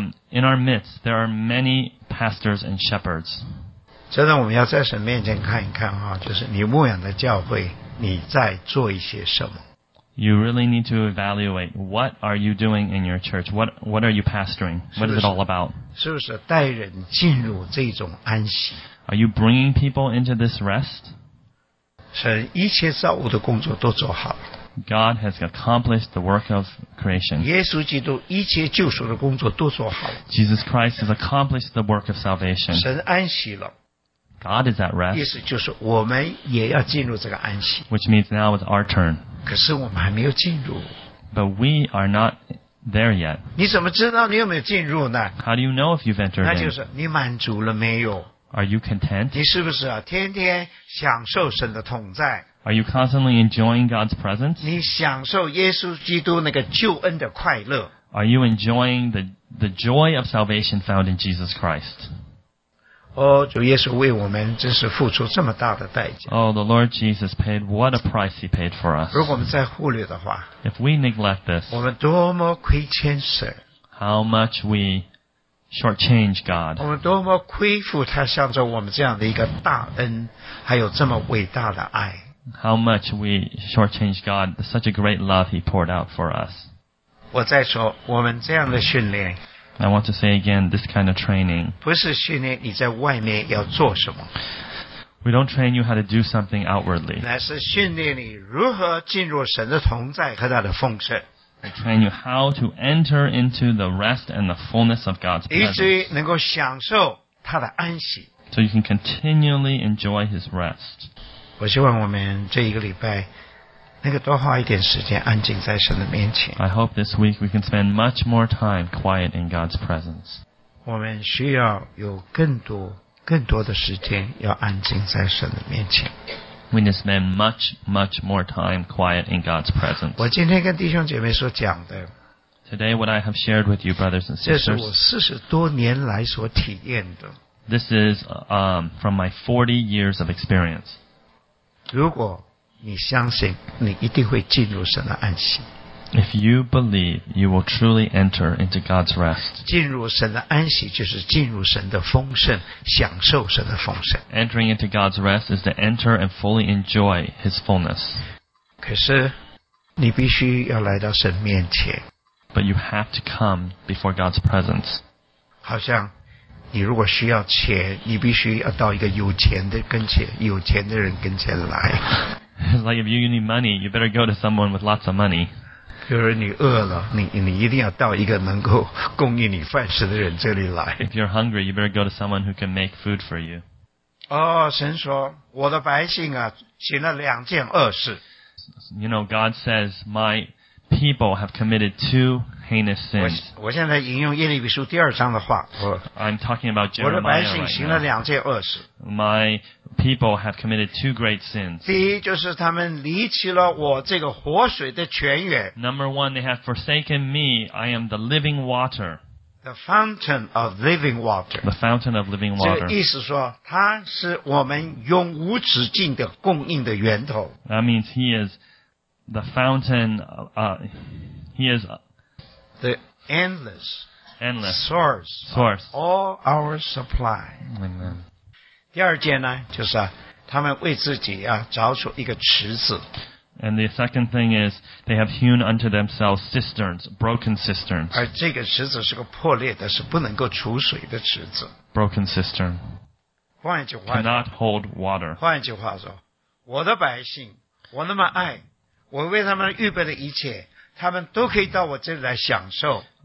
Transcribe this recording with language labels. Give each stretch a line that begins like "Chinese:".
English: In our midst, there are many pastors and shepherds.
Chinese: 真的我们要在神面前看一看啊，就是你牧养的教会，你在做一些什么。
English: You really need to evaluate what are you doing in your church? What are you pastoring? What is it all about?
Chinese: 是不是带人进入这种安息？
English: Are you bringing people into this rest?
Chinese: 神一切造物的工作都做好了。
English: God has accomplished the work of creation.
Chinese: 耶稣基督一切救赎的工作都做好。
English: Jesus Christ has accomplished the work of salvation.
Chinese: 神安息了。
English: God is at rest.
Chinese: 意思就是我们也要进入这个安息。
English: Which means now it's our turn.
Chinese: 可是我们还没有进入。
English: But we are not there yet.
Chinese: 你怎么知道你有没有进入呢？
English: How do you know if you've entered in?
Chinese: 那就是你满足了没有？
English: Are you content?
Chinese: 你是不是啊，天天享受神的同在？
English: Are you constantly enjoying God's presence?
Chinese: 你享受耶稣基督那个救恩的快乐。
English: Are you enjoying the joy of salvation found in Jesus Christ?
Chinese: 哦，主耶稣为我们真是付出这么大的代价。
English: Oh, the Lord Jesus paid what a price he paid for us.
Chinese: 如果我们再忽略的话。
English: If we neglect this.
Chinese: 我们多么亏欠神。
English: How much we shortchange God.
Chinese: 我们多么亏负他向着我们这样的一个大恩，还有这么伟大的爱。
English: How much we shortchange God, such a great love He poured out for us.
Chinese: 我再说，我们这样的训练。
English: I want to say again, this kind of training.
Chinese: 不是训练你在外面要做什么。
English: We don't train you how to do something outwardly.
Chinese: 乃是训练你如何进入神的同在和他的丰盛。
English: We train you how to enter into the rest and the fullness of God's presence.
Chinese: 以至于能够享受他的安息。
English: So you can continually enjoy His rest.
Chinese: 我希望我们这一个礼拜能够多花一点时间安静在神的面前。
English: I hope this week we can spend much more time quiet in God's presence.
Chinese: 我们需要有更多的时间要安静在神的面前。
English: We need to spend much, much more time quiet in God's presence.
Chinese: 我今天跟弟兄姐妹所讲的
English: Today what I have shared with you, brothers and sisters,
Chinese: 这是我四十多年来所体验的
English: This is from my 40 years of experience.
Chinese: 如果你相信你一定会进入神的安息
English: If you believe, you will truly enter into God's rest.
Chinese: 进入神的安息就是进入神的丰盛，享受神的丰盛。
English: Entering into God's rest is to enter and fully enjoy His fullness.
Chinese: 可是你必须要来到神面前。
English: But you have to come before God's presence.
Chinese: 好像你如果需要钱，你必须要到一个有钱的跟前，有钱的人跟前来。
English: It's like if you need money, you better go to someone with lots of money.
Chinese: 就是你饿了 你一定要到一个能够供应你饭食的人这里来
English: If you're hungry, you better go to someone who can make food for you
Chinese: 哦、oh, 神说我的百姓啊行了两件恶事
English: You know, God says my people have committed two heinous sins
Chinese: 我现在引用耶利米书第二章的话
English: I'm talking about Jeremiah right now
Chinese: 我的百姓行了两件恶事
English: My people have committed two great sins
Chinese: 第一就是他们离弃了我这个活水的泉源
English: Number one, they have forsaken me I am the living water The fountain of living water The fountain of living water
Chinese: 这意思说它是我们永无止境的供应的源头
English: That means he is The fountain, he is the endless, endless source of all our supply. Amen.
Chinese: 第二件呢，就是啊，他们为自己啊凿出一个池子。
English: And the second thing is they have hewn unto themselves cisterns, broken cisterns.
Chinese: 而这个池子是个破裂的，是不能够储水的池子。
English: Broken cistern.
Chinese: 换一句话
English: cannot hold water.
Chinese: 换一句话说，我的百姓，我那么爱。我为他们预备的一切，他们都可以到我这里来享受。